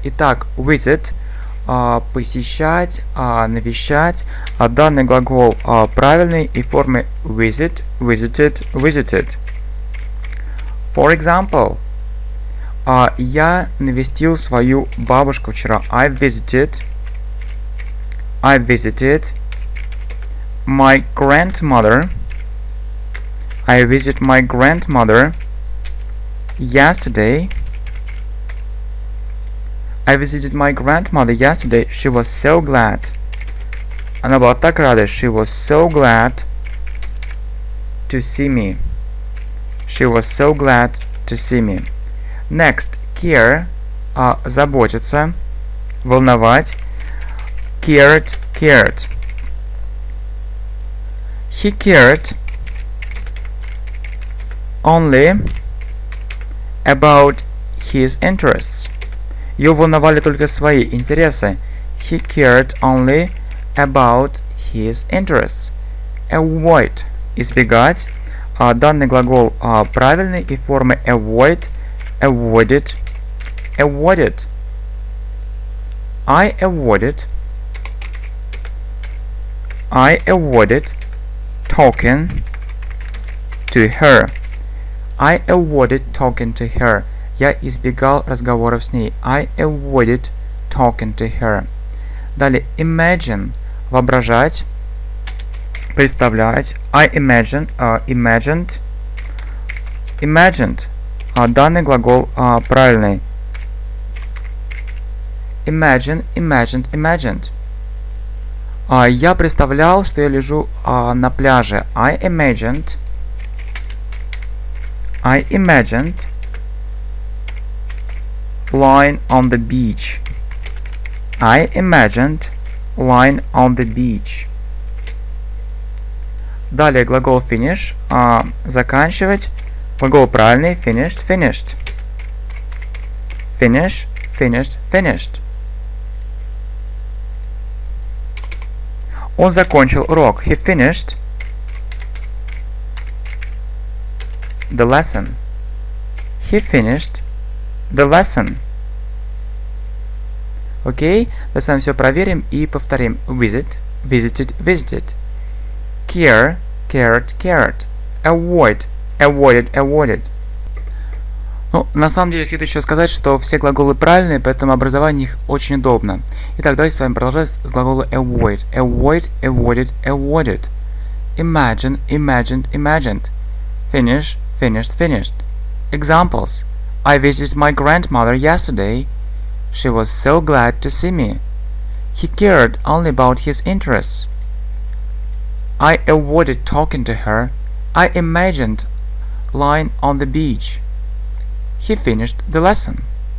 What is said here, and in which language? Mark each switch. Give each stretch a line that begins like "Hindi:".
Russian: Итак, visit – посещать, навещать. Данный глагол правильный и формы
English: visit, visited, visited. For example,
Russian: я навестил свою бабушку вчера.
English: I visited my grandmother. I visited my grandmother yesterday. I visited my grandmother yesterday. She was so glad.
Russian: Она была так рада.
English: She was so glad to see me. She was so glad to see me. Next, care,
Russian: заботиться, волновать.
English: Cared, cared. He cared only about his interests.
Russian: Его волновали только свои интересы.
English: He cared only about his interests. Avoid, избегать.
Russian: Данный глагол правильный и формы
English: avoid, avoided, avoided. I avoided. I avoided talking to her. I avoided talking to her.
Russian: Я избегал разговоров с ней.
English: I avoided talking to her. Далее, imagine.
Russian: Воображать. Представлять.
English: I imagined. Imagined. Imagined.
Russian: Данный глагол правильный.
English: Imagine, imagined, imagined.
Russian: Я представлял, что я лежу на пляже.
English: I imagined. I imagined lying on the beach. I imagined lying on the beach.
Russian: Далее глагол finish. Заканчивать. Глагол правильный.
English: Finished, finished. Finish, finished, finished.
Russian: Он закончил урок.
English: He finished the lesson. He finished the lesson.
Russian: Окей, мы с вами все проверим и повторим. Visit, visited, visited. Care, cared, cared. Avoid, avoided, avoided. Ну, на самом деле, хочу еще сказать, что все глаголы правильные, поэтому образование их очень удобно. Итак, давайте с вами продолжать с глагола avoid.
English: Avoid, avoided, avoided. Imagine, imagined, imagined. Finish, finished, finished. Examples. I visited my grandmother yesterday. She was so glad to see me. He cared only about his interests. I avoided talking to her. I imagined lying on the beach. He finished the lesson.